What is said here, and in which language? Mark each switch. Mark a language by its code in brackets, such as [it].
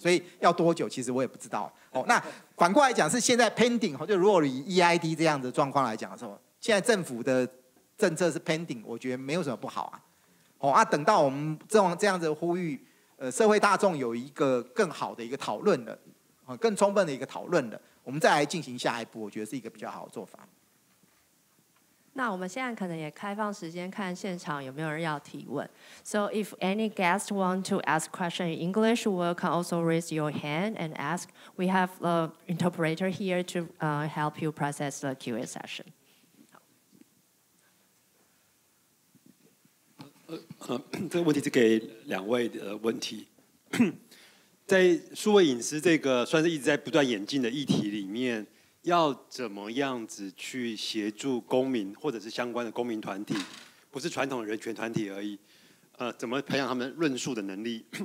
[zh] 所以要多久其实我也不知道。那反过来讲，是现在 pending， 就如果以 EID 这样的状况来讲的时候，现在政府的政策是 pending， 我觉得没有什么不好 啊，等到我们这样子呼吁社会大众有一个更好的一个讨论的，更充分的一个讨论的，我们再来进行下一步，我觉得是一个比较好的做法。那我们现在可能也开放时间，看现场有没有人要提问。 [en] So if any guest want to ask question in English, you can also raise your hand and ask. We have the interpreter here to help you process the Q&A session. [zh] 这个问题是给两位的问题。在数位隐私这个算是一直在不断演进的议题里面，要怎么样子去协助公民或者是相关的公民团体，不是传统的人权团体而已，怎么培养他们论述的能力，